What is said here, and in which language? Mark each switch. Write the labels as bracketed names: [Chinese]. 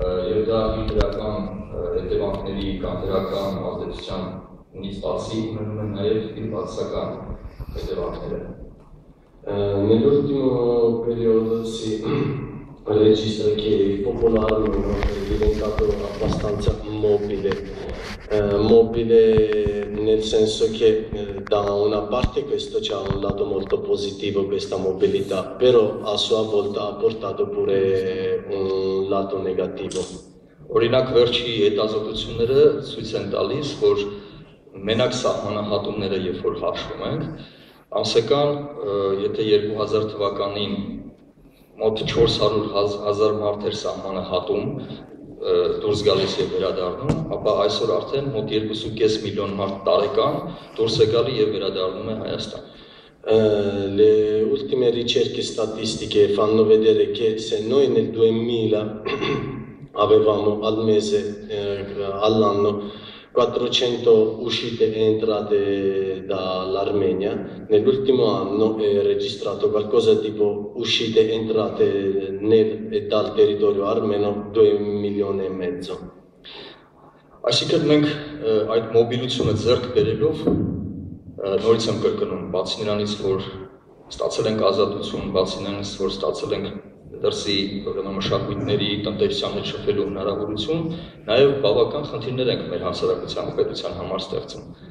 [Armenian] Եվ դա իր դրական հետևանքների կամ դրական ազդեցության ունի, բացի ունենում են նաև իր բացական հետևանքները։ [Italian] Nell'ultimo periodo si registra che il popolare è diventato abbastanza mobile. Mobile nel senso che da una parte questo c'ha un lato molto positivo, questa mobilità, però a sua volta ha portato pure un lato negativo. [Armenian] Օրինակ վերջի հետազոտությունները ցույց են տալիս, որ մենակ սահմանահատումները, երբ որ հաշվում ենք, ամսական, եթե 2000 թվականին մոտ 400 000 մարդ էր սահմանահատում, դուրս գալիս եւ վերադառնում, ապա այսօր արդեն մոտ 2.5 միլիոն մարդ տարեկան դուրս է գալի եւ վերադառնում է Հայաստան։ [Italian] Le ultime ricerche statistiche fanno vedere che se noi nel 2000 avevamo al mese all'anno 400 uscite e entrate dall'Armenia, nell'ultimo anno è registrato qualcosa tipo uscite e entrate nel e dal territorio armeno 2 milioni e mezzo. [Armenian] Այսինքն մենք այդ մոբիլությունը ձեռք բերելով նորից ենք կրկնում, բացի նրանից, որ ստացել ենք ազատություն, բացի նրանից, որ ստացել ենք դրսի մշակույթների տնտեսության մեջ շփվելու հնարավորություն, նաև բավական խնդիրներ ենք մեր հասարակության ու պետության համար ստեղծում։